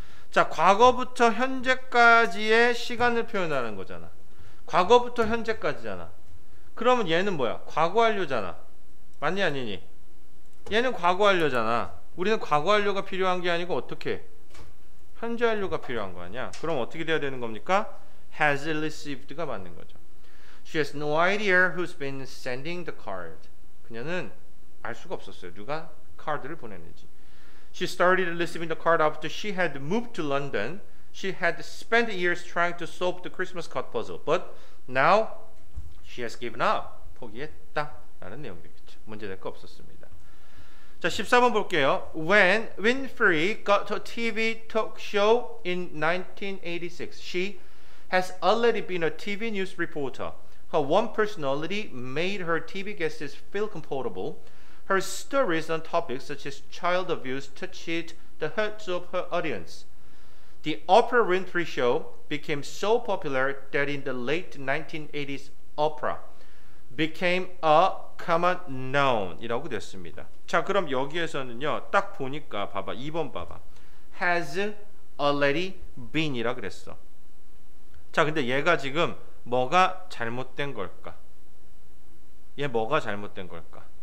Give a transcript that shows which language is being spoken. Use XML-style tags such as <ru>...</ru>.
<ko>자, 과거부터 현재까지의 시간을 표현하는 거잖아. 과거부터 현재까지잖아. 그러면 얘는 뭐야? 과거완료잖아. 맞니 아니니? 얘는 과거완료잖아. 우리는 과거완료가 필요한 게 아니고 어떻게? 현재완료가 필요한 거 아니야? 그럼 어떻게 돼야 되는 겁니까?</ko> <en>has received</en> <ko>가 맞는 거죠.</ko> <en>She has no idea who's been sending the card.</en> <ko>그녀는 알 수가 없었어요. 누가 카드를 보냈는지.</ko> <en>She started receiving the card after she had moved to London. She had spent years trying to solve the Christmas card puzzle, but now she has given up.</en> <ko>포기했다. 라는 내용이겠죠. 문제 될 거 없었습니다. 자, 14번 볼게요.</ko> <en>When Winfrey got a TV talk show in 1986, she has already been a TV news reporter. Her warm personality made her TV guests feel comfortable. Her stories on topics such as child abuse touched the hearts of her audience. The Oprah Winfrey Show became so popular that in the late 1980s, Oprah became a common noun</en> <ko>이라고 됐습니다. 자, 그럼 여기에서는요, 딱 보니까 봐봐, 2번 봐봐.</ko> <en>has already been</en> <ko>이라고 그랬어. 자, 근데 얘가 지금 뭐가 잘못된 걸까? 얘 뭐가 잘못된 걸까?</ko>